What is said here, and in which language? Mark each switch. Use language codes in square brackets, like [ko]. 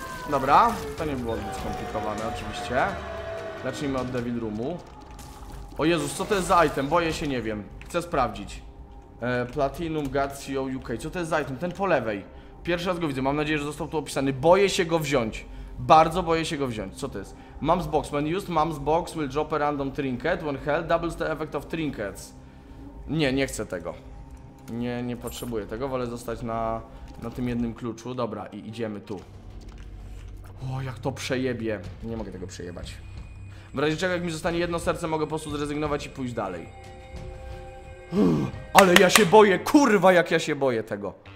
[pl] Dobra, to nie było zbyt skomplikowane, oczywiście. Zacznijmy od Devil Roomu. O Jezus, co to jest za item? Boję się, nie wiem. Chcę sprawdzić. Platinum Gatio UK. Co to jest za item? Ten po lewej. Pierwszy raz go widzę, mam nadzieję, że został tu opisany. Boję się go wziąć. Bardzo boję się go wziąć. Co to jest? [en] Mums Box. When used, Mums Box will drop a random trinket. When held, doubles the effect of trinkets. [pl] Nie, nie chcę tego. Nie, nie potrzebuję tego. Wolę zostać na tym jednym kluczu. Dobra, i idziemy tu. O, jak to przejebie. Nie mogę tego przejebać. W razie czego, jak mi zostanie jedno serce, mogę po prostu zrezygnować i pójść dalej. Ale ja się boję, kurwa, jak ja się boję tego.